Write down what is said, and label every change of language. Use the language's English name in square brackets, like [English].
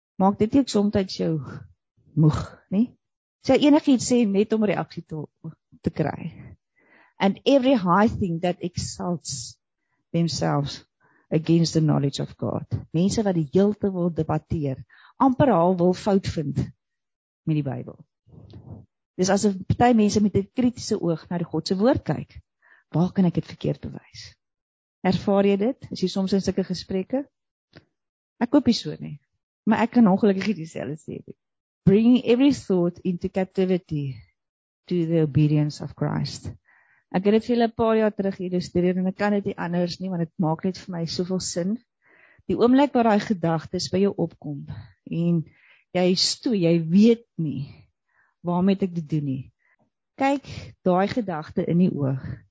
[Afrikaans] Maak dit ook somtijds jou moeg, nie? Sy enig iets sê, net om reaksie te kry. [English] And every high thing that exalts themselves against the knowledge of God. [Afrikaans] Mense wat die heeltyd wil debatteer, amper al wil fout vind met die Bybel. Dis asof party mense met 'n kritiese oog na die God se woord kyk. Waar kan ek dit verkeerd bewys? Ervaar jy dit? Is jy soms in sulke gesprekke? Ek hoop nie so nie, maar ek kan ongelukkig dieselfde sê. [English] Bring every thought into captivity to the obedience of Christ. [Afrikaans] Ek het vir 'n paar jaar terug hier gestudeer en ek kan dit nie anders nie, want dit maak net vir my soveel sin. Die oomblik waar daai gedagtes by jou opkom en jy stoei, jy weet nie waarmee ek dit doen nie. Kyk daai gedagte in die oog